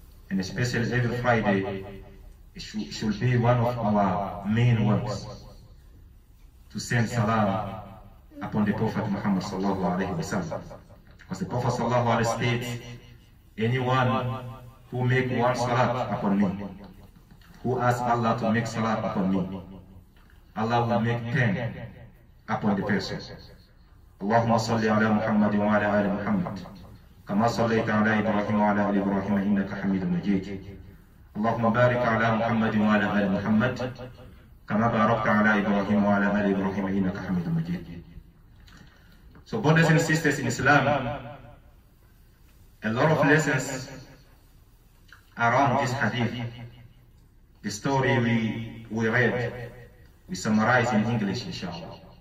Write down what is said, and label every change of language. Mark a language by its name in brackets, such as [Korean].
[English] And especially every Friday, it should be one of our main works to send salam upon the Prophet Muhammad sallallahu alayhi wa sallam. Because the Prophet sallallahu alayhi wa sallam states, anyone who make one salat upon me, who asks Allah to make salat upon me, Allah will make 10 upon the person. [Arabic] Allahumma salli ala Muhammad wa ala ali Muhammad. كما صليت على إبراهيم وعلى آل إبراهيم إنك حميد مجيد. اللهم بارك على محمد وعلى آل محمد كما باركت على إبراهيم وعلى آل إبراهيم إنك حميد مجيد. [English] So brothers and sisters in Islam, a lot of lessons around this hadith, the story we read, we summarize in English, inshallah.